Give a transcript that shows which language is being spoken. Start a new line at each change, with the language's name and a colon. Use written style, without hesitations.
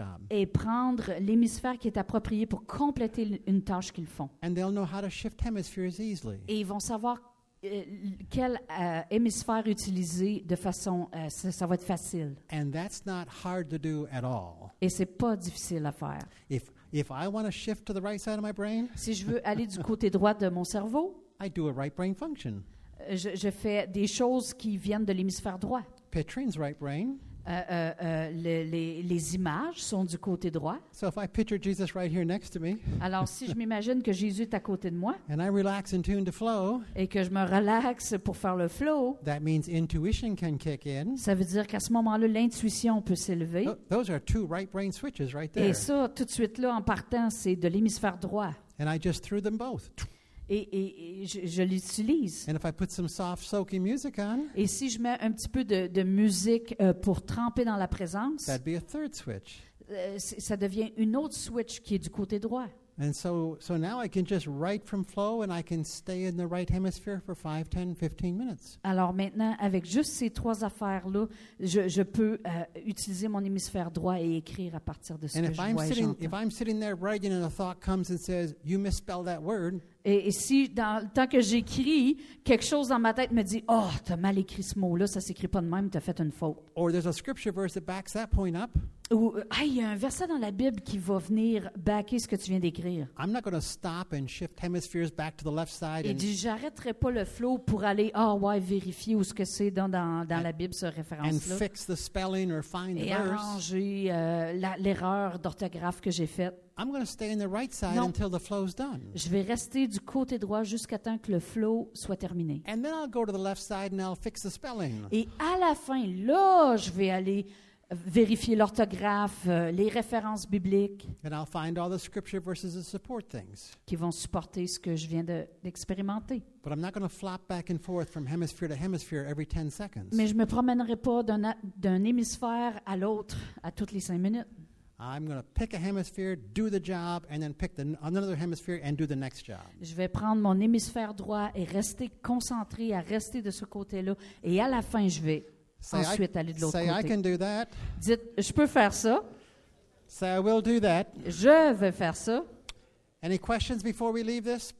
French: et prendre l'hémisphère qui est approprié pour compléter une tâche qu'ils font.
English: And know how to shift hemispheres easily.
French: Et ils vont savoir quel hémisphère utiliser de façon, ça va être facile.
English: And that's not hard to do at all.
French: Et ce n'est pas difficile à faire.
English: If I want to shift to the right side of my brain,
French: si je veux aller du côté droit de mon cerveau,
English: I do a right brain function.
French: Je fais des choses qui viennent de l'hémisphère droit.
English: Petrine's right brain.
French: Les images sont du côté droit.
English: So if I picture Jesus right here next to me,
French: alors si je m'imagine que Jésus est à côté de moi,
English: and I relax and tune to flow,
French: et que je me relaxe pour faire le flow,
English: that means intuition can kick in.
French: Ça veut dire qu'à ce moment-là, l'intuition peut s'élever.
English: Those are two right brain switches right there.
French: Et ça, tout de suite là, en partant, c'est de l'hémisphère droit.
English: And I just threw them both.
French: Et je l'utilise.
English: And if I put some soft, soaky music on,
French: et si je mets un petit peu de musique pour tremper dans la présence,
English: that'd be a third switch.
French: Ça devient une autre switch qui est du côté droit.
English: And so now I can just write from flow and I can stay in the right hemisphere for 5, 10, 15 minutes.
French: Alors maintenant, avec juste ces trois affaires-là, je peux utiliser mon hémisphère droit et écrire à partir de ce
English: and
French: que
English: if
French: je
English: I'm
French: vois
English: sitting, if I'm sitting there writing and a thought comes and says, you misspelled that word,
French: et si dans le temps que j'écris, quelque chose dans ma tête me dit, oh, t'as mal écrit ce mot-là, ça s'écrit pas de même, t'as fait une faute.
English: Or there's a scripture verse that backs that point up.
French: Ou, il y a un verset dans la Bible qui va venir backer ce que tu viens d'écrire.
English: I'm not going to stop and shift hemispheres back to the left side.
French: Et dit, j'arrêterai pas le flow pour aller, vérifier où ce que c'est dans la Bible, ce référence-là.
English: And fix the spelling or find the verse.
French: Et arranger l'erreur d'orthographe que j'ai faite.
English: I'm going to stay on the right side until the flow's done.
French: Je vais rester du côté droit jusqu'à temps que le flow soit terminé.
English: And then I'll go to the left side and I'll fix the spelling.
French: Et à la fin, là, je vais aller vérifier l'orthographe, les références bibliques.
English: And I'll find all the scripture verses that support things.
French: Qui vont supporter ce que je viens d'expérimenter.
English: But I'm not going to flop back and forth from hemisphere to hemisphere every 10 seconds.
French: Mais je me promènerai pas d'un hémisphère à l'autre à toutes les 5 minutes.
English: I'm going to pick a hemisphere, do the job, and then pick another hemisphere and do the next job.
French: Je vais prendre mon hémisphère droit et rester concentré à rester de ce côté-là. Et à la fin, je vais ensuite aller de l'autre côté.
English: Say, I can do that.
French: Dites, je peux faire ça.
English: So I will do that.
French: Je vais faire ça.
English: Any questions before we leave this?